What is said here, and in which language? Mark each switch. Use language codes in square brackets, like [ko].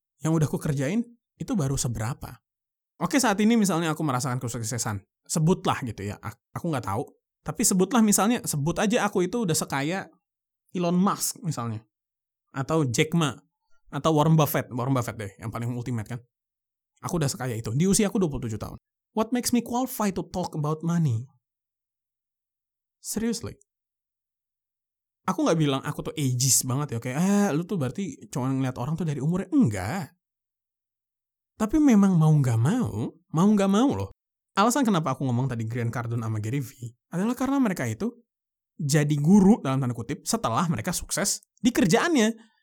[id] Yang udah aku kerjain, itu baru seberapa? Oke, saat ini misalnya aku merasakan kesuksesan. Sebutlah gitu ya, aku gak tahu. Tapi sebutlah misalnya, sebut aja aku itu udah sekaya Elon Musk misalnya. Atau Jack Ma, atau Warren Buffett deh, yang paling ultimate kan. Aku udah sekaya itu, di usia aku 27 tahun. [en] What makes me qualified to talk about money? Seriously. [id] Aku gak bilang aku tuh ages banget ya, kayak, lu tuh berarti cuma ngeliat orang tuh dari umurnya. Enggak. Tapi memang mau gak mau loh. Alasan kenapa aku ngomong tadi Grant Cardone sama Gary Vee, adalah karena mereka itu jadi guru dalam tanda kutip setelah mereka sukses di kerjaannya.